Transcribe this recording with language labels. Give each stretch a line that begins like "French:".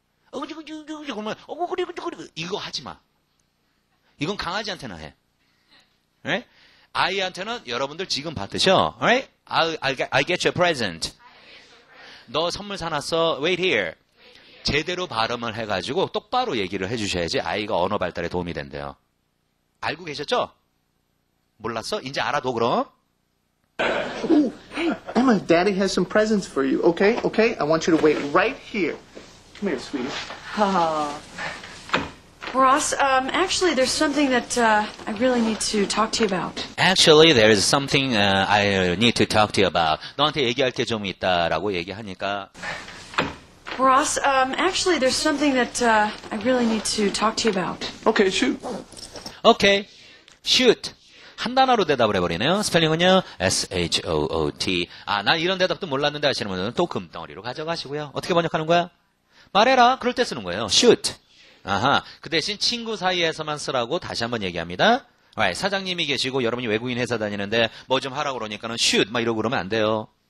Korean: 어구지구지구지 그러면 어구구리구리구리 이거 하지마. 이건 강아지한테나 해. 네? 아이한테는 여러분들 지금 받으셔.
English: I'll get you a present.
Korean: 너 선물 사놨어.
English: Wait here.
Korean: 제대로 발음을 해가지고 똑바로 얘기를 해주셔야지 아이가 언어 발달에 도움이 된대요. 알고 계셨죠? 몰랐어? 이제 알아도 그럼.
English: Oh, hey, my daddy has some presents for you. Okay, okay. I want you to wait right here. Come here, sweetie. Ross, actually, there's something that I really need to talk to you about. Actually, there is something I need to talk to you about.
Korean: 너한테 얘기할 게 좀 있다라고 얘기하니까.
English: Ross, actually, there's something that I really need to talk to you about. Okay, shoot. Okay, shoot.
Korean: 한 단어로 대답을 해버리네요. 스펠링은요, S-H-O-O-T. 아, 난 이런 대답도 몰랐는데 하시는 분들은 또 금덩어리로 가져가시고요. 어떻게 번역하는 거야? 말해라. 그럴 때 쓰는 거예요. Shoot. 아하. 그 대신 친구 사이에서만 쓰라고 다시 한번 얘기합니다. Right, 사장님이 계시고 여러분이 외국인 회사 다니는데 뭐 좀 하라고 그러니까는 shoot 막 이러고 그러면 안 돼요.